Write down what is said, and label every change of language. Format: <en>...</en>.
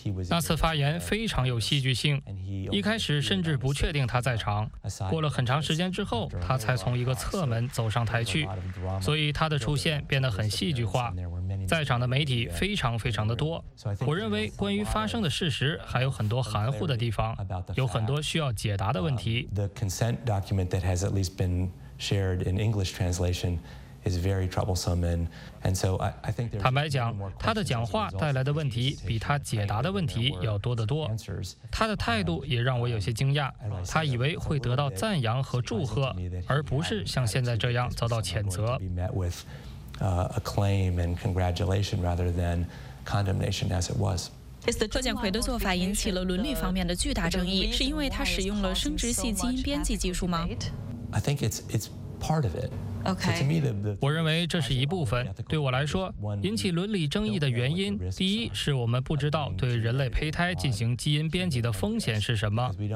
<zh>那次发言非常有戏剧性，一开始甚至不确定他在场，过了很长时间之后他才从一个侧门走上台去，所以他的出现变得很戏剧化，在场的媒体非常非常的多。我认为关于发生的事实还有很多含糊的地方，有很多需要解答的问题。</zh> <en>The consent document that has at least been shared in English translationis very troublesome, and so I think there.</en> <zh>坦白讲，他的讲话带来的问题比他解答的问题要多得多。他的态度也让我有些惊讶。他以为会得到赞扬和祝贺，而不是像现在这样遭到谴责。</zh> <en>Acclaim and congratulation rather than condemnation, as it was.</en> <zh>贺建奎的做法引起了伦理方面的巨大争议，是因为他使用了生殖系基因编辑技术吗</zh> <en>？I think it's part of it. Okay.</en> <zh>我认为这是一部分。对我来说，引起伦理争议的原因，第一是我们不知道对人类胚胎进行基因编辑的风险是什么。</zh>